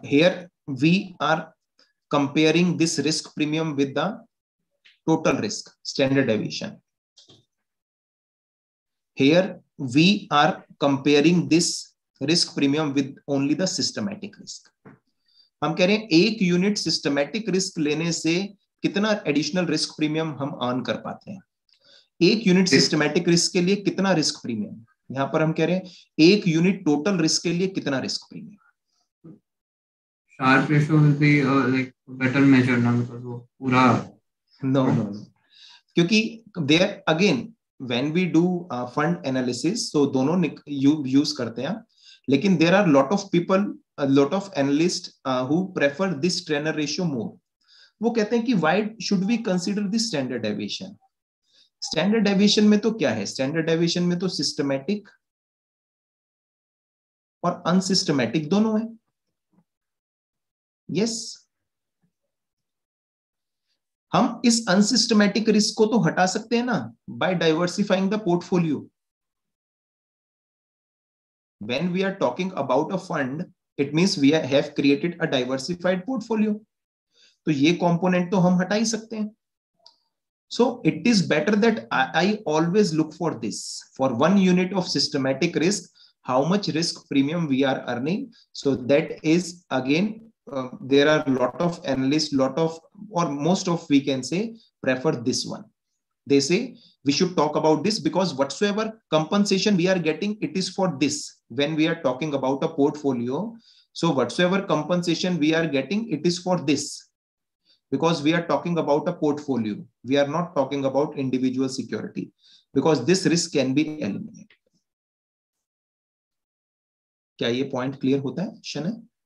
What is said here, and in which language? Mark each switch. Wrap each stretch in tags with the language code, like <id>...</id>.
<en>Here, we are comparing this risk premium with the total risk, standard deviation. Here, we are comparing this risk premium with only the systematic risk.</en> <hi>हम कह रहे हैं एक unit systematic risk लेने से कितना additional risk premium हम earn कर पाते हैं? एक unit systematic risk के लिए कितना risk premium? यहाँ पर हम कह रहे हैं एक unit total risk के लिए कितना risk premium?</hi> <en>Sharpe ratio will be like better measure now because</en> <hi>wo pura</hi> <en>no</en> <hi>kyunki</hi> <en>there again when we do fund analysis so</en> <hi>dono use karte hain लेकिन</hi> <en>There are lot of people lot of analyst who prefer this Treynor ratio more.</en> <hi>वो कहते हैं कि</hi> <en>Why should we consider this standard deviation.</en> <hi>Standard deviation में तो क्या है, standard deviation में तो सिस्टमैटिक और अनसिस्टमैटिक दोनों है. यस, हम इस अनसिस्टमैटिक रिस्क को तो हटा सकते हैं ना</hi> <en>By diversifying the portfolio. When we are talking about a fund it means we have created a diversified portfolio.</en> <hi>तो ये कंपोनेंट तो हम हटा ही सकते हैं.</hi> <en>So it is better that I always look for this for one unit of systematic risk how much risk premium we are earning. So that is again there are lot of analysts, lot of or most of we can say prefer this one. They say we should talk about this because whatsoever compensation we are getting, it is for this. When we are talking about a portfolio, so whatsoever compensation we are getting, it is for this because we are talking about a portfolio. We are not talking about individual security because this risk can be eliminated.</en> <hi>क्या ये point clear होता है शने?</hi>